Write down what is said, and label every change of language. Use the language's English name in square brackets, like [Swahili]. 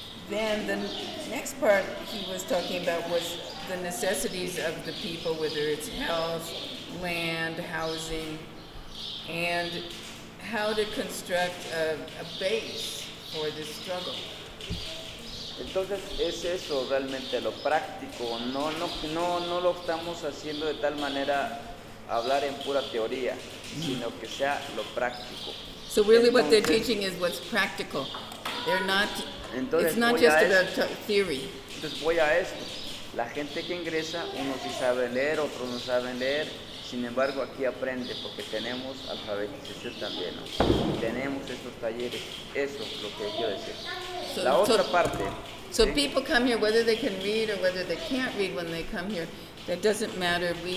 [English] Then next part he was talking about was the necessities of the people, whether it's health, land, housing, and how to construct a base for this struggle. [Spanish] Entonces es eso realmente lo práctico, no lo estamos haciendo de tal manera hablar en pura teoría, sino que sea lo práctico. [English] So really entonces, what they're teaching is what's practical. They're not, [Spanish] entonces, [English] it's not just about theory. [Spanish] Entonces voy a esto. La gente que ingresa, unos sí saben leer, otros no saben leer. Sin embargo, aquí aprende porque tenemos alfabetización también, ¿no? Tenemos estos talleres. Eso es lo que quiero decir. [English] So, [Spanish] la otra parte. [English] So ¿sí? People come here, whether they can read or whether they can't read when they come here, that doesn't matter.